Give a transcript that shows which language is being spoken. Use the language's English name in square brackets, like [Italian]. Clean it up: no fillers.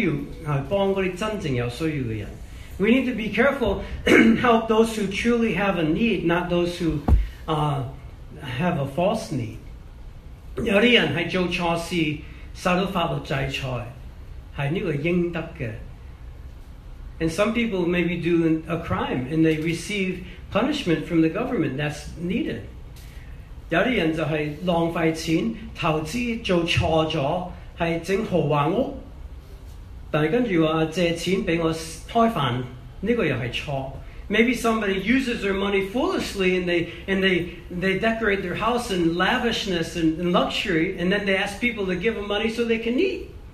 [Chinese] 我们要小心,有些人真正是有需要,帮那些真正有需要的人. [English] We need to be careful, help those who truly have a need, not those who have a false need. [Chinese] 有些人是做错事,受到法律制裁。 [English] And some people maybe do a crime and they receive punishment from the government that's needed. [Chinese] 有些人就是浪费钱,投资做错了,是整豪华屋,但是跟着说借钱给我开饭,这个也是错。 [English] Maybe somebody uses their money foolishly and they decorate their house in lavishness and luxury and then they ask people to give them money so they can eat.